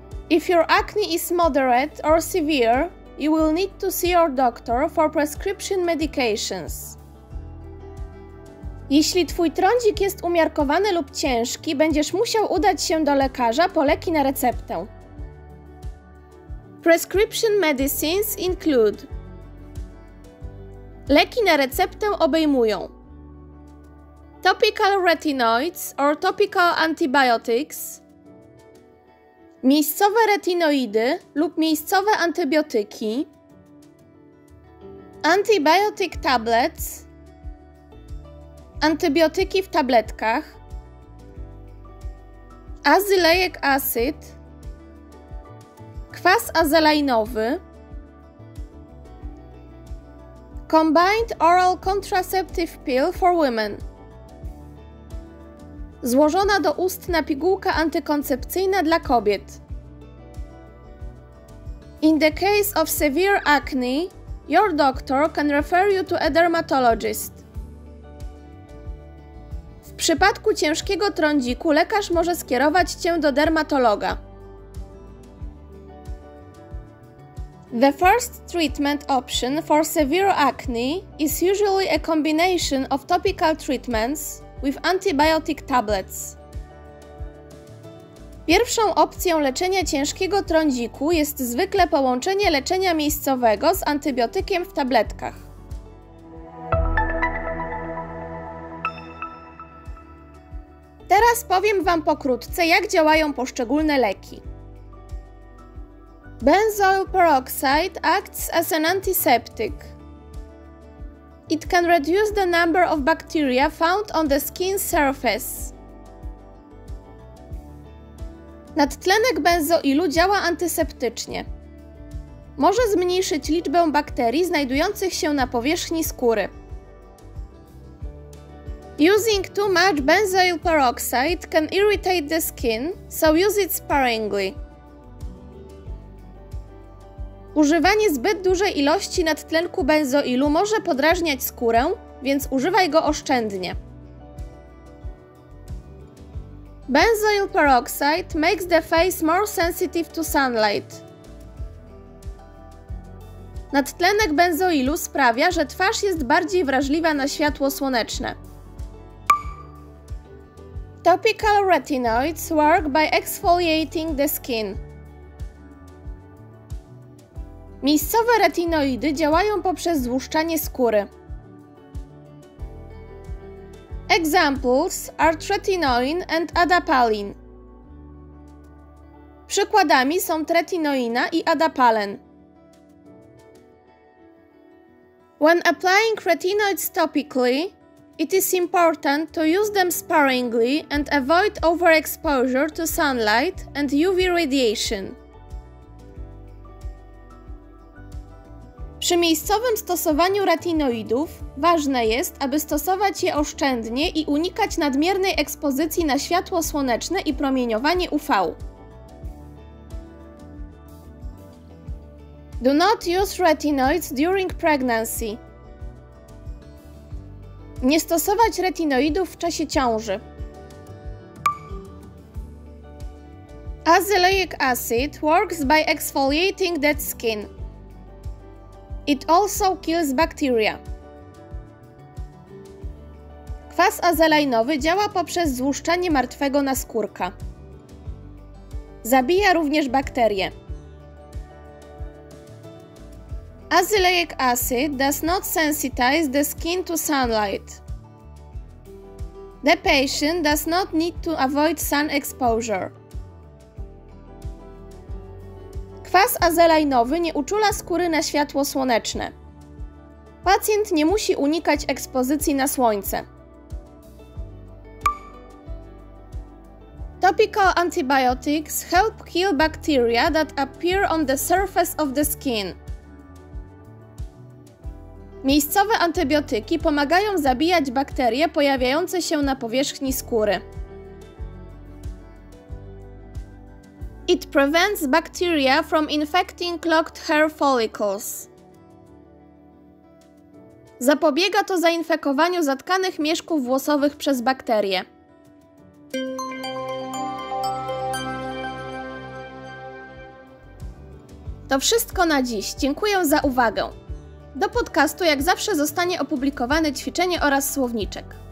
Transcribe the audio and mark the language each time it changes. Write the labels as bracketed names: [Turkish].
[English] If your acne is moderate or severe, you will need to see your doctor for prescription medications. [Polish] Jeśli twój trądzik jest umiarkowany lub ciężki, będziesz musiał udać się do lekarza po leki na receptę. [English] Prescription medicines include. [Polish] Leki na receptę obejmują [English] topical retinoids or topical antibiotics, [Polish] miejscowe retinoidy lub miejscowe antybiotyki, [English] antibiotic tablets, [Polish] antybiotyki w tabletkach, [English] azelaic acid, [Polish] kwas azelainowy, [English] combined oral contraceptive pill for women, [Polish] złożona doustna pigułka antykoncepcyjna dla kobiet. [English] In the case of severe acne, your doctor can refer you to a dermatologist. [Polish] W przypadku ciężkiego trądziku lekarz może skierować cię do dermatologa. [English] The first treatment option for severe acne is usually a combination of topical treatments with antibiotic tablets. [Polish] Pierwszą opcją leczenia ciężkiego trądziku jest zwykle połączenie leczenia miejscowego z antybiotykiem w tabletkach. Teraz powiem Wam pokrótce, jak działają poszczególne leki. [English] Benzoyl peroxide acts as an antiseptic. It can reduce the number of bacteria found on the skin surface. [Polish] Nadtlenek benzoilu działa antyseptycznie. Może zmniejszyć liczbę bakterii znajdujących się na powierzchni skóry. [English] Using too much benzoyl peroxide can irritate the skin, so use it sparingly. [Polish] Używanie zbyt dużej ilości nadtlenku benzoilu może podrażniać skórę, więc używaj go oszczędnie. [English] Benzoyl peroxide makes the face more sensitive to sunlight. [Polish] Nadtlenek benzoilu sprawia, że twarz jest bardziej wrażliwa na światło słoneczne. [English] Topical retinoids work by exfoliating the skin. [Polish] Miejscowe retinoidy działają poprzez złuszczanie skóry. [English] Examples are tretinoin and adapalin. [Polish] Przykładami są tretinoina i adapalen. [English] When applying retinoids topically, it is important to use them sparingly and avoid overexposure to sunlight and UV radiation. [Polish] Przy miejscowym stosowaniu retinoidów ważne jest, aby stosować je oszczędnie i unikać nadmiernej ekspozycji na światło słoneczne i promieniowanie UV. [English] Do not use retinoids during pregnancy. [Polish] Nie stosować retinoidów w czasie ciąży. [English] Azelaic acid works by exfoliating dead skin. It also kills bacteria. [Polish] Kwas azelainowy działa poprzez złuszczanie martwego naskórka. Zabija również bakterie. [English] Azelaic acid does not sensitize the skin to sunlight. The patient does not need to avoid sun exposure. [Polish] Kwas azelainowy nie uczula skóry na światło słoneczne. Pacjent nie musi unikać ekspozycji na słońce. [English] Topical antibiotics help kill bacteria that appear on the surface of the skin. [Polish] Miejscowe antybiotyki pomagają zabijać bakterie pojawiające się na powierzchni skóry. [English] It prevents bacteria from infecting clogged hair follicles. [Polish] Zapobiega to zainfekowaniu zatkanych mieszków włosowych przez bakterie. To wszystko na dziś. Dziękuję za uwagę. Do podcastu jak zawsze zostanie opublikowane ćwiczenie oraz słowniczek.